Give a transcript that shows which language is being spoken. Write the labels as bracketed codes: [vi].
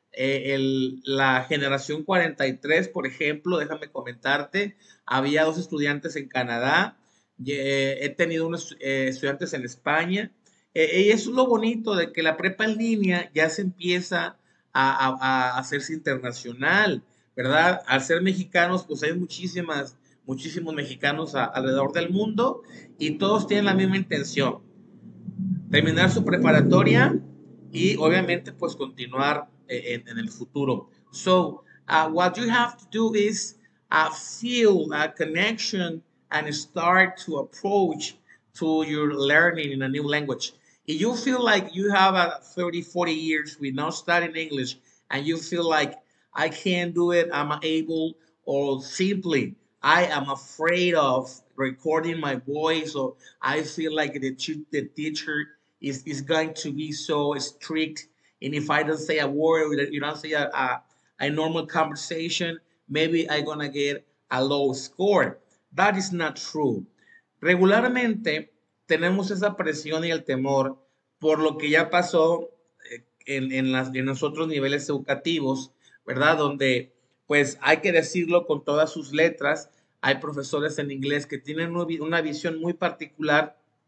[es] La generación 43, por ejemplo, déjame comentarte, había dos estudiantes en Canadá, he tenido unos estudiantes en España, y eso es lo bonito de que la prepa en línea ya se empieza a hacerse internacional, ¿verdad? Al ser mexicanos, pues hay muchísimos mexicanos alrededor del mundo y todos tienen la misma intención, terminar su preparatoria y obviamente pues continuar en el futuro. [en] So, what you have to do is feel a connection and start to approach to your learning in a new language. If you feel like you have a 30, 40 years with not studying English and you feel like I can't do it, I'm able, or simply I am afraid of recording my voice, or I feel like the teacher is going to be so strict. And if I don't say a word, you don't say a normal conversation, maybe I'm gonna get a low score. That is not true. [es] Regularmente tenemos esa presión y el temor por lo que ya pasó en los otros niveles educativos, ¿verdad? Donde, pues, hay que decirlo con todas sus letras. Hay profesores en inglés que tienen una visión muy particular.